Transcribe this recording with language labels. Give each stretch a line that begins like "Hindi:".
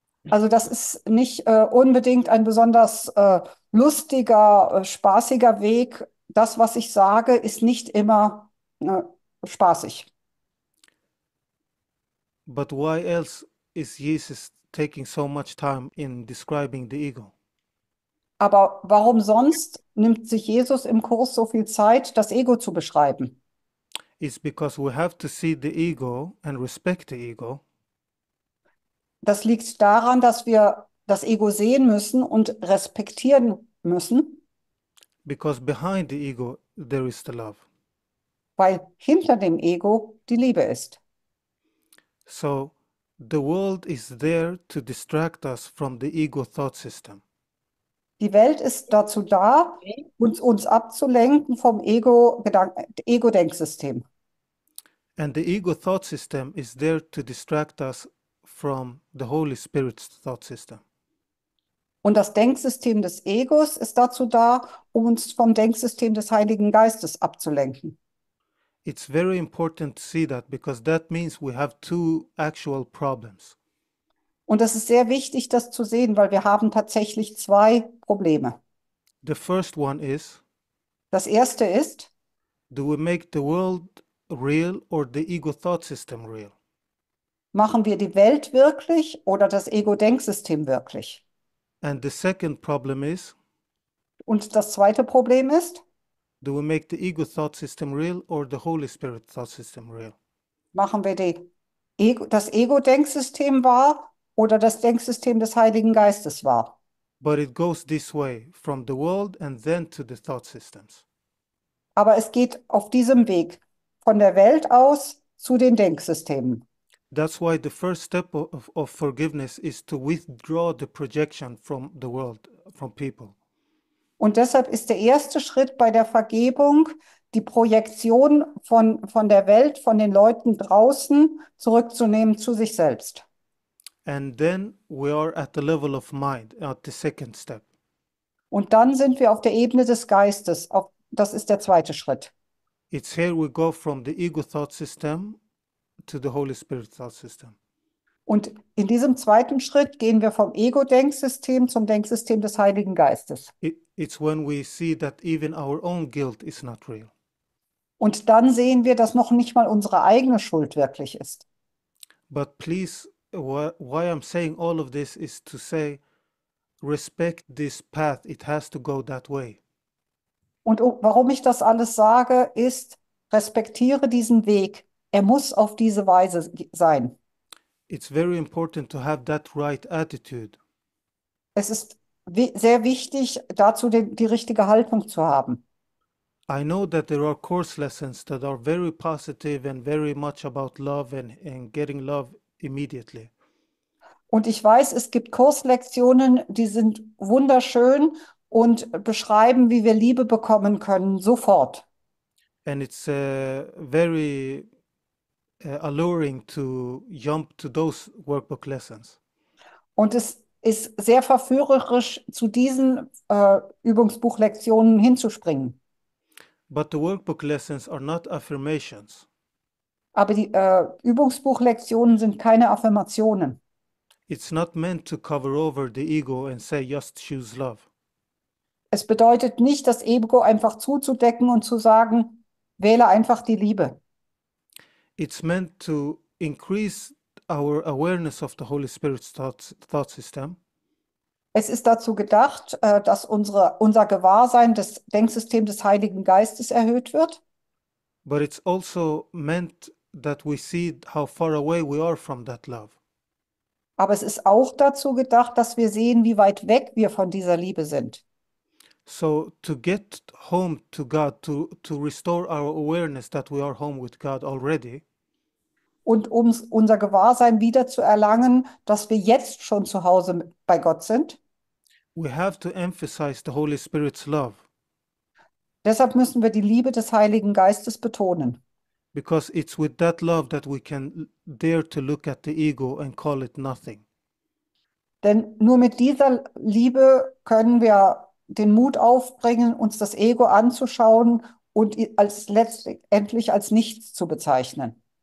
German: Also das ist nicht unbedingt ein besonders lustiger, spaßiger Weg. Das, was ich sage, ist nicht immer spaßig.
English: But why else is Jesus taking so much time in describing the ego?
German: Aber warum sonst nimmt sich Jesus im Kurs so viel Zeit, das Ego zu beschreiben?
English: It's because we have to see the ego and respect the ego.
German: Das liegt daran, dass wir das Ego sehen müssen und respektieren müssen,
English: Because behind the ego, there is the love.
German: weil hinter dem Ego die Liebe ist.
English: So, the world is there to distract us from the ego thought system.
German: Die Welt ist dazu da, uns abzulenken vom Ego-Denksystem.
English: And the ego thought system is there to distract us from the Holy Spirit's thought system.
German: Und das Denksystem des Egos ist dazu da, uns vom Denksystem des Heiligen Geistes abzulenken.
English: It's very important to see that because that means we have two actual problems.
German: Und es ist sehr wichtig, das zu sehen, weil wir haben tatsächlich zwei Probleme.
English: The first one is,
German: Das erste ist,
English: do we make the world real or the ego thought system real?
German: machen wir die Welt wirklich oder das Ego-Denksystem wirklich?
English: And the second problem is,
German: Und das zweite Problem ist,
English: do we make the ego thought system real or the Holy Spirit thought system real?
German: machen wir die Ego, das Ego-Denksystem war oder das Denksystem des Heiligen Geistes war.
English: But it goes this way from the world and then to the thought systems.
German: Aber es geht auf diesem Weg von der Welt aus zu den Denksystemen.
English: That's why the first step of forgiveness is to withdraw the projection from the world, from people.
German: Und deshalb ist der erste Schritt bei der Vergebung, die Projektion von der Welt, von den Leuten draußen zurückzunehmen zu sich selbst.
English: And then we are at the level of mind, at the second step.
German: Und dann sind wir auf der Ebene des Geistes. Das ist der zweite Schritt.
English: It's here we go from the ego thought system to the Holy Spirit thought system.
German: Und in diesem zweiten Schritt gehen wir vom Ego-Denksystem zum Denksystem des Heiligen Geistes.
English: It's when we see that even our own guilt is not real.
German: Und dann sehen wir, dass noch nicht mal unsere eigene Schuld wirklich ist.
English: But please, why I'm saying all of this is to say, respect this path. It has to go that way.
German: Und warum ich das alles sage, ist, respektiere diesen Weg. Er muss auf diese Weise sein.
English: It's very important to have that right attitude.
German: Es ist sehr wichtig, dazu die richtige Haltung zu haben.
English: I know that there are course lessons that are very positive and very much about love and getting love immediately.
German: Und ich weiß, es gibt Kurslektionen, die sind wunderschön und beschreiben, wie wir Liebe bekommen können, sofort.
English: And it's very alluring to jump to those workbook lessons.
German: Und es ist sehr verführerisch, zu diesen Übungsbuchlektionen hinzuspringen.
English: But the workbook lessons are not affirmations.
German: Aber die Übungsbuchlektionen sind keine Affirmationen.
English: It's not meant to cover over the ego and say just choose love.
German: Es bedeutet nicht, das Ego einfach zuzudecken und zu sagen, wähle einfach die Liebe.
English: It's meant to increase our awareness of the Holy Spirit's thought system.
German: Es ist dazu gedacht, dass unser Gewahrsein des Denksystems des Heiligen Geistes erhöht wird.
English: But it's also meant that we see how far away we are from that love.
German: Aber es ist auch dazu gedacht, dass wir sehen, wie weit weg wir von dieser Liebe sind.
English: So to get home to God, to restore our awareness that we are home with God already.
German: Und um unser Gewahrsein wieder zu erlangen, dass wir jetzt schon zu Hause bei Gott sind.
English: We have to emphasize the Holy Spirit's love.
German: Deshalb müssen wir die Liebe des Heiligen Geistes betonen.
English: Because it's with that love that we can dare to look at the ego and call it nothing.
German: Denn nur mit dieser Liebe können wir den Mut aufbringen, uns das Ego anzuschauen und als letztendlich als nichts zu bezeichnen.